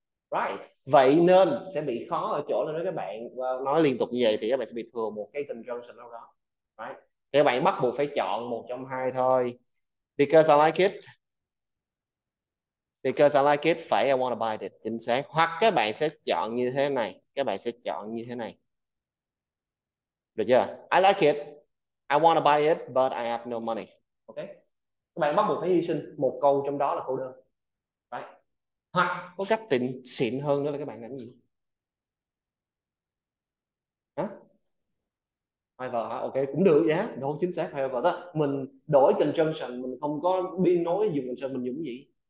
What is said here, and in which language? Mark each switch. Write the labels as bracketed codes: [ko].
[vi] Right. Vậy nên sẽ bị khó ở chỗ là nếu các bạn nói liên tục như vậy thì các bạn sẽ bị thừa một cái conjunction đâu đó. Right. Thì các bạn bắt buộc phải chọn một trong hai thôi. [en] Because I like it. Because I like it, [vi] phải [en] I want to buy it. [vi] Chính xác. Hoặc các bạn sẽ chọn như thế này. Các bạn sẽ chọn như thế này. Được chưa? [en] I like it. I want to buy it, but I have no money. Okay. [vi] Các bạn bắt buộc phải hy sinh một câu trong đó là câu đơn. Hoặc có cách tịnh xịn hơn nữa là các bạn làm gì? Hả? However hả? Ok, cũng được giá. Yeah. Đúng, chính xác. However đó. Mình đổi conjunction, mình không có đi nói dùng conjunction, mình dùng cái gì?